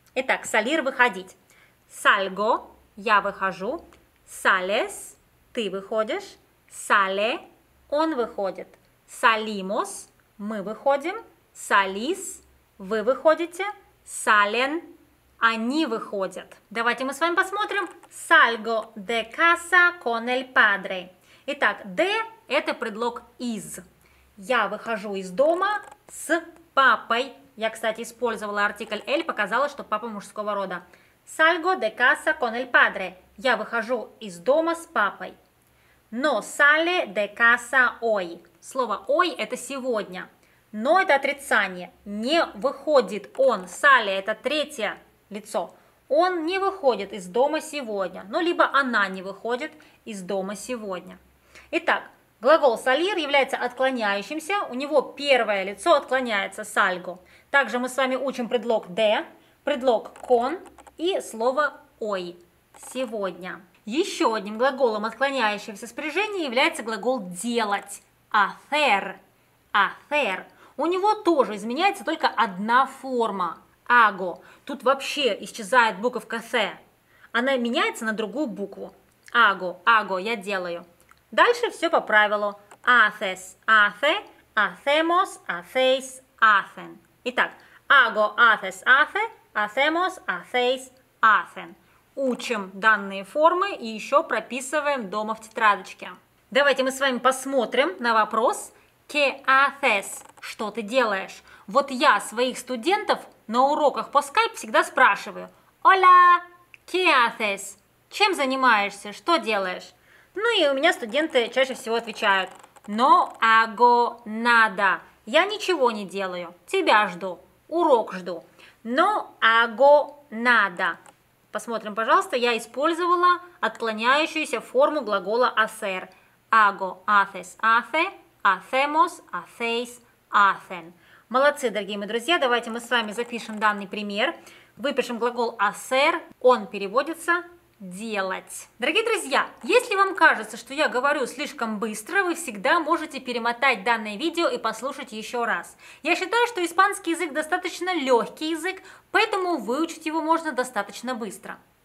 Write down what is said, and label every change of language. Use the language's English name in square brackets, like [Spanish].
[Russian] Итак, «salir» – «выходить». «Salgo» – «я выхожу». «Sales» – «ты выходишь». «Sale» – он выходит. Salimos, мы выходим. Salís, вы выходите. Salen, Они выходят. Давайте мы с вами посмотрим. [Spanish] Salgo de casa con el padre. [Russian] Итак, de – это предлог из. Я выхожу из дома с папой. Я, кстати, использовала артикль el, показала, что папа мужского рода. [Spanish] Salgo de casa con el padre. [Russian] Я выхожу из дома с папой. [Spanish] No sale de casa hoy. [Russian] Слово hoy – это сегодня. Но это отрицание. Не выходит он. Sale – это третье лицо. Он не выходит из дома сегодня. Ну, либо она не выходит из дома сегодня. Итак, глагол salir является отклоняющимся. У него первое лицо отклоняется – salgo. Также мы с вами учим предлог de, предлог con и слово hoy – сегодня. Еще одним глаголом отклоняющимся спряжения является глагол делать – hacer. Hacer. У него тоже изменяется только одна форма – ago. Тут вообще исчезает буковка «с». Она меняется на другую букву. Ago, ago, я делаю. Дальше все по правилу. [Spanish] Haces, hace, hacemos, hacéis, hacen. Итак, ago, haces, hace, hacemos, hacéis, hacen. [Russian] Учим данные формы и еще прописываем дома в тетрадочке. Давайте мы с вами посмотрим на вопрос [Spanish] «Qué haces?» [Russian] – «Что ты делаешь?» Вот я своих студентов на уроках по Skype всегда спрашиваю [Spanish] «Hola! ¿Qué haces?» [Russian] – «Чем занимаешься? Что делаешь?» Ну и у меня студенты чаще всего отвечают [Spanish] «No hago nada!» [Russian] «Я ничего не делаю, тебя жду, урок жду!» [Spanish] «No hago nada!» [Russian] Посмотрим, пожалуйста, я использовала отклоняющуюся форму глагола hacer. [Spanish] Hago, haces, hace, hacemos, hacéis, hacen. [Russian] Молодцы, дорогие мои друзья, давайте мы с вами запишем данный пример. Выпишем глагол hacer, он переводится делать. Дорогие друзья, если вам кажется, что я говорю слишком быстро, вы всегда можете перемотать данное видео и послушать еще раз. Я считаю, что испанский язык достаточно легкий язык, поэтому выучить его можно достаточно быстро.